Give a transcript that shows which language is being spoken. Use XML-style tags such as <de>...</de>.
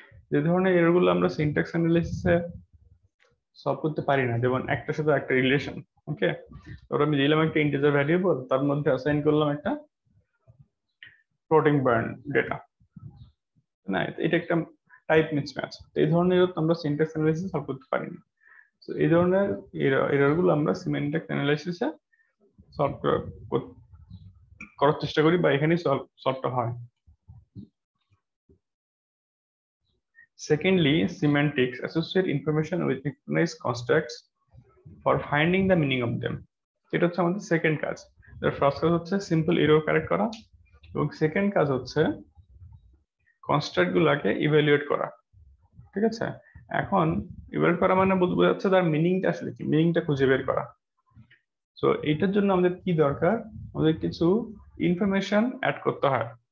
<bn>যে ধরনের এরগুলো আমরা সিনট্যাক্স অ্যানালাইসিসে সলভ করতে পারি না, যেমন একটা সাথে একটা রিলেশন, ওকে, ধরো আমি দিলাম একটা ইন্টিজার ভ্যারিয়েবল, তার মধ্যে অ্যাসাইন করলাম একটা ফ্লোটিং পয়েন্ট ডেটা, না এটা একটা টাইপ মিসম্যাচ। এই ধরনের আমরা সিনট্যাক্স অ্যানালাইসিস সলভ করতে পারি না। তো এই ধরনের এররগুলো আমরা সিমেন্টিক্স অ্যানালাইসিসে সলভ করার চেষ্টা করি, বা এখানেই সলভটা হয়।</bn> <en>Secondly, semantics associate information with recognized constructs for finding the meaning of them.</en> <bn>এটা হচ্ছে আমাদের সেকেন্ড কাজ। এর ফার্স্ট কাজ হচ্ছে সিম্পল এরর কারেক্ট করা, এবং সেকেন্ড কাজ হচ্ছে কনস্ট্রাক্ট গুলাকে ইভ্যালুয়েট করা, ঠিক আছে? এখন ইভ্যালুয়েট করা মানে বোঝাচ্ছে তার মিনিংটা আসলে কি, মিনিংটা খুঁজে বের করা। সো এইটার জন্য আমাদের কি দরকার, আমাদের কিছু ইনফরমেশন অ্যাড করতে হয়।</bn>